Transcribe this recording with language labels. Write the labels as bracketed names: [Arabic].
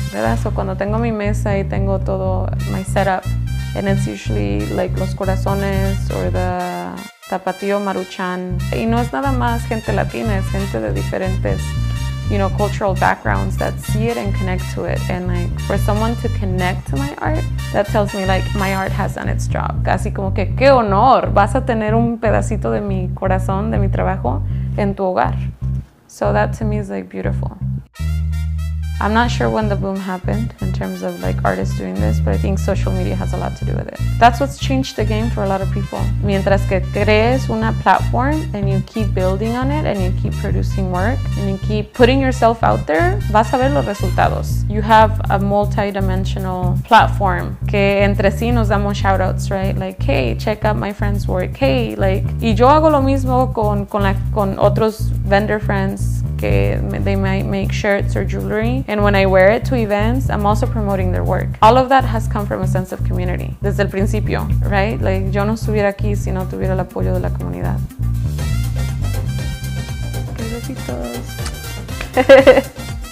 [Spanish] ¿Verdad? So cuando tengo mi mesa y tengo todo [English] my setup, and it's usually like [Spanish] los corazones [English] or the [Spanish] tapatío maruchan. Y no es nada más gente latina, es gente de diferentes, [English] you know, cultural backgrounds that see it and connect to it. And like for someone to connect to my art, that tells me like my art has done its job. [Spanish] Casi como que qué honor, vas a tener un pedacito de mi corazón, de mi trabajo en tu hogar. [English] So that to me is like beautiful. I'm not sure when the boom happened in terms of like artists doing this, but I think social media has a lot to do with it. That's what's changed the game for a lot of people. [Spanish] Mientras que crees una [English] platform and you keep building on it and you keep producing work and you keep putting yourself out there, [Spanish] vas a ver los resultados. [English] You have a multi-dimensional platform. [Spanish] Que entre sí nos damos [English] shoutouts, right? Like, hey, check out my friend's work. Hey, like, [Spanish] y yo hago lo mismo con otros [English] vendor friends. They might make shirts or jewelry, and when I wear it to events, I'm also promoting their work. All of that has come from a sense of community. [Spanish] Desde el principio, right? Like, yo no estuviera aquí si no tuviera el apoyo de la comunidad.